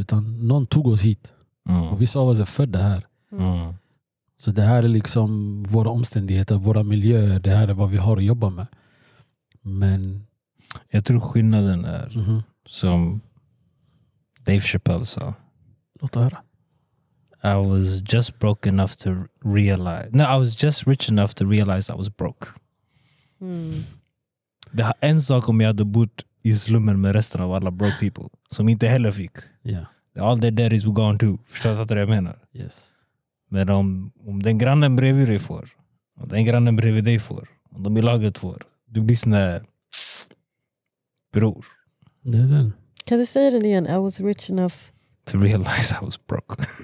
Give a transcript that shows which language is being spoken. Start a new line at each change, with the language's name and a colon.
Swedish: Utan någon tog oss hit. Mm. Och vissa av oss är födda här. Mm. Så det här är liksom våra omständigheter, våra miljöer. Det här är vad vi har att jobba med. Men jag tror skillnaden är, som Dave Chappelle sa. Låt höra.
English: I was just broke enough to realize. No, I was just rich enough to realize I was broke.
Swedish: Det har en sak om jag hade bott i slummen med resten av alla
English: broke people.
Swedish: Som inte heller fick. Yeah.
English: All their daddies were gone too.
Swedish: Förstår du vad jag menar?
English: Yes.
Swedish: Men om den grannen bredvid dig får. Om den grannen bredvid dig får. Om de i laget får. Du blir sån där bror. Det är den. Kan du säga det igen?
English: I was rich enough to realize I was broke.